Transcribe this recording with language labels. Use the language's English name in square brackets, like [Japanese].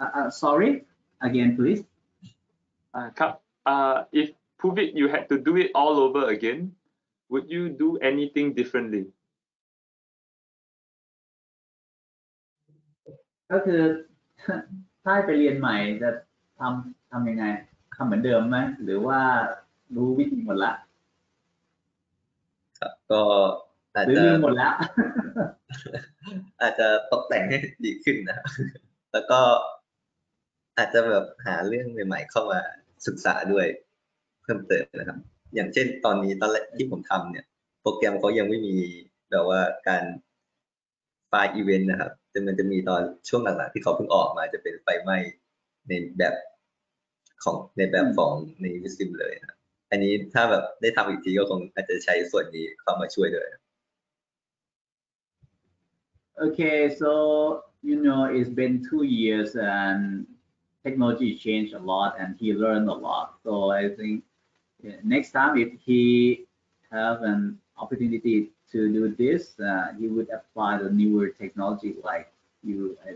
[English] Sorry? Again, please. If Puvit, you had to do it all over again, would you do anything differently? [Thai] ก็คือถ้าไปเรียนใหม่จะทำยังไงทำเหมือนเดิมไหมหรือว่ารู้วิธีหมดละ ครับก็อาจจะ รู้วิธีหมดละ อาจจะตกแต่งให้ดีขึ้นนะแล้วก็อาจจะแบบหาเรื่องใหม่ๆเข้ามาศึกษาด้วยเพิ่มเติมนะครับอย่างเช่นตอนนี้ตอนแรกที่ผมทำเนี่ยโปรแกรมเขายังไม่มีแบบว่าการไฟอีเวนต์นะครับแต่มันจะมีตอนช่วงหลังๆที่เขาเพิ่งออกมาจะเป็นไฟไหม้ในแบบของในวิสิมเลยครับอันนี้ถ้าแบบได้ทำอีกทีก็คงอาจจะใช้ส่วนนี้เข้ามาช่วยด้วย [English] โอเค so you know it's been 2 years andTechnology changed a lot, and he learned a lot. So I think next time, if he have an opportunity to do this, he would apply the newer technology, like you.